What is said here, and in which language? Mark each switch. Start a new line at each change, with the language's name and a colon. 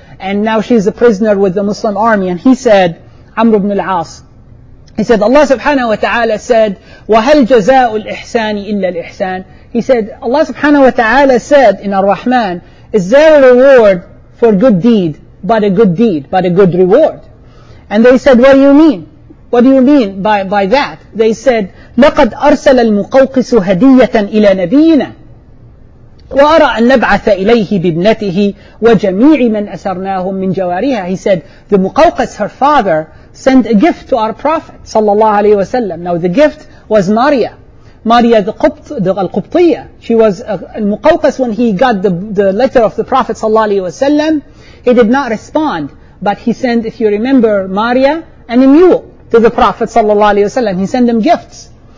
English: And now she's a prisoner with the Muslim army. And he said, Amr ibn al-As, he said, Allah subhanahu wa ta'ala said,
Arabic: وَهَلْ جَزَاءُ الْإِحْسَانِ إِلَّا الْإِحْسَانِ.
English: He said, Allah subhanahu wa ta'ala said in Ar-Rahman, is there a reward for good deed, but a good deed, but a good reward? And they said, what do you mean? What do you mean by that? They said,
Arabic: لَقَدْ أَرْسَلَ الْمُقَوْقِسُ هَدِيَّةً إِلَى نَبِيِّنَا وَأَرَى أَنْ نَبْعَثَ إِلَيْهِ بِابْنَتِهِ وَجَمِيعِ مَنْ أَسَرْنَاهُمْ مِنْ جَوَارِهَا.
English: He said, the Muqawqis, her father, sent a gift to our Prophet sallallahu alayhi wa sallam. Now the gift was Maria al-Qubtiyya. She was al-Muqawqis. When he got the letter of the Prophet sallallahu alayhi wa sallam, he did not respond, but he sent, if you remember, Maria and a mule to the Prophet sallallahu alayhi wa sallam. He sent them gifts.